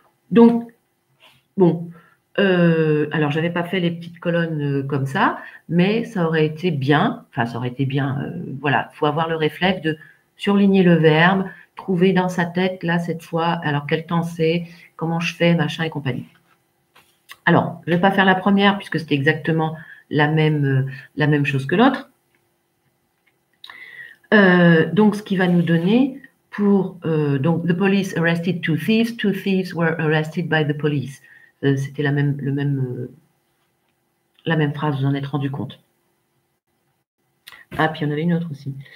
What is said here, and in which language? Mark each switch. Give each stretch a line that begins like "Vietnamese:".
French: Donc, bon, alors, je n'avais pas fait les petites colonnes comme ça, mais ça aurait été bien, voilà, il faut avoir le réflexe de surligner le verbe, trouver dans sa tête, là, cette fois, alors, quel temps c'est, comment je fais, machin et compagnie. Alors, je ne vais pas faire la première puisque c'était exactement la même chose que l'autre. Donc, ce qui va nous donner pour...
English: donc, the police arrested two thieves were arrested by the police.
French: C'était la même phrase, vous en êtes rendu compte. Ah, puis il y en avait une autre aussi.